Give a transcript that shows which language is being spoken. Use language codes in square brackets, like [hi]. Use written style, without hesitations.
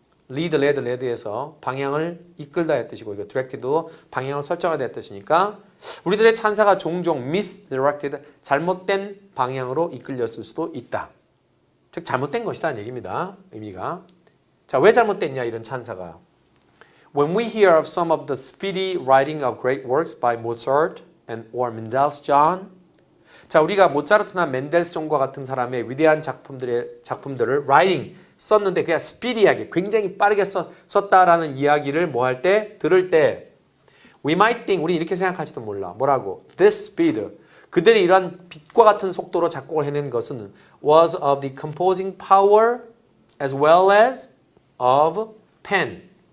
[ko] lead, led, led에서 방향을 이끌다 했듯이고 이거 directed도 방향을 설정하다 했듯이니까 우리들의 찬사가 종종 misdirected, 잘못된 방향으로 이끌렸을 수도 있다. 즉 잘못된 것이라는 얘기입니다. 의미가. 자, 왜 잘못됐냐 이런 찬사가. [en] When we hear of some of the speedy writing of great works by Mozart and or Mendelssohn. [ko] 자, 우리가 모차르트나 멘델스존과 같은 사람의 위대한 작품들을 writing 썼는데 그냥 스피디하게 굉장히 빠르게 썼다라는 이야기를 뭐 할 때? 들을 때 [en] We might think, [ko] 우리 이렇게 생각할지도 몰라. 뭐라고? [en] This speed, [ko] 그들이 이런 빛과 같은 속도로 작곡을 해낸 것은 [en] was of the composing power as well as of pen.